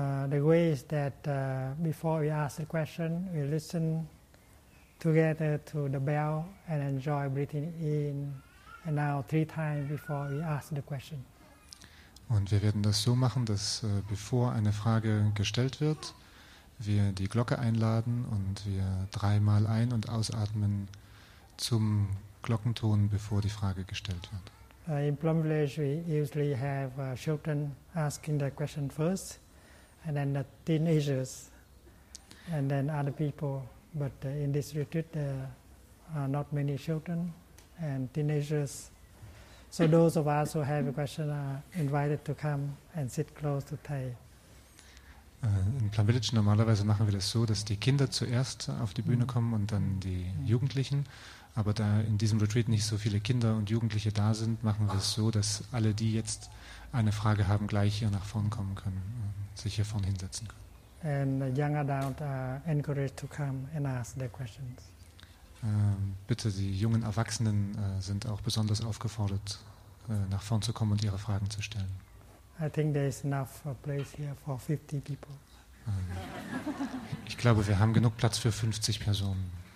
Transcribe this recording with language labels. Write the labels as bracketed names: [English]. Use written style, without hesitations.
[English] The way is that before we ask the question, we listen together to the bell and enjoy breathing in and out three times before we ask the question. [German] Und wir werden das so machen, dass bevor eine Frage gestellt wird, wir die Glocke einladen und wir dreimal ein- und ausatmen zum Glockenton, bevor die Frage gestellt wird. [English] In Plum Village we usually have children asking the question first, and then the teenagers, and then other people. But in this retreat there are not many children and teenagers. So those of us who have a question are invited to come and sit close to Thay. [German] In Plum Village normalerweise machen wir das so, dass die Kinder zuerst auf die Bühne kommen und dann die Jugendlichen. Aber da in diesem Retreat nicht so viele Kinder und Jugendliche da sind, machen wir es so, dass alle, die jetzt eine Frage haben, gleich hier nach vorn kommen können, sich hier vorn hinsetzen können. [English] And young adults are encouraged to come and ask their questions. [German] Bitte, die jungen Erwachsenen sind auch besonders aufgefordert, nach vorn zu kommen und ihre Fragen zu stellen. [English] I think there is enough place here for 50 people. [German] Ich glaube, wir haben genug Platz für 50 Personen.